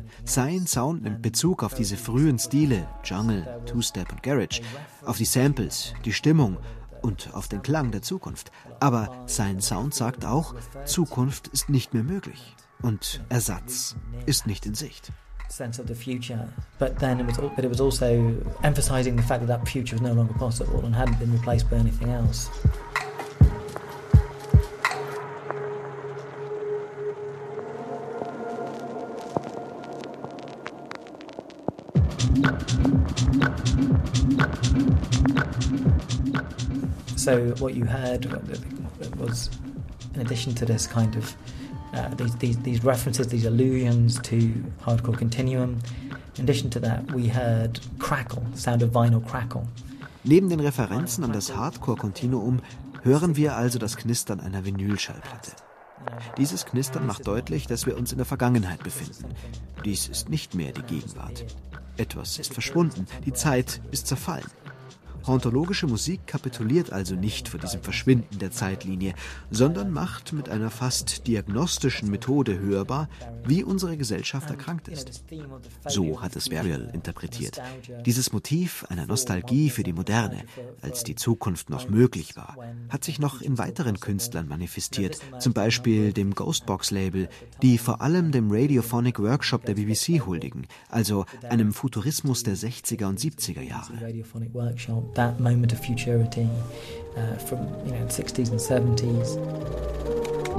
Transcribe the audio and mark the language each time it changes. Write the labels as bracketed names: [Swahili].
[German] Sein Sound nimmt Bezug auf diese frühen Stile, Jungle, Two-Step und Garage, auf die Samples, die Stimmung und auf den Klang der Zukunft. Aber sein Sound sagt auch, Zukunft ist nicht mehr möglich und Ersatz ist nicht in Sicht. [English] Sense of the future, but it was also emphasizing the fact that future was no longer possible and hadn't been replaced by anything else. So what you heard was, in addition to this kind of these references, these allusions to Hardcore Continuum. In addition to that, we heard crackle, sound of vinyl crackle. [German] Neben den Referenzen an das Hardcore Continuum hören wir also das Knistern einer Vinylschallplatte. Dieses Knistern macht deutlich, dass wir uns in der Vergangenheit befinden. Dies ist nicht mehr die Gegenwart. Etwas ist verschwunden, die Zeit ist zerfallen. Hauntologische Musik kapituliert also nicht vor diesem Verschwinden der Zeitlinie, sondern macht mit einer fast diagnostischen Methode hörbar, wie unsere Gesellschaft erkrankt ist. So hat es Burial interpretiert. Dieses Motiv einer Nostalgie für die Moderne, als die Zukunft noch möglich war, hat sich noch in weiteren Künstlern manifestiert, zum Beispiel dem Ghostbox-Label, die vor allem dem Radiophonic Workshop der BBC huldigen, also einem Futurismus der 60er und 70er Jahre. [English] That moment of futurity from the 60s and 70s.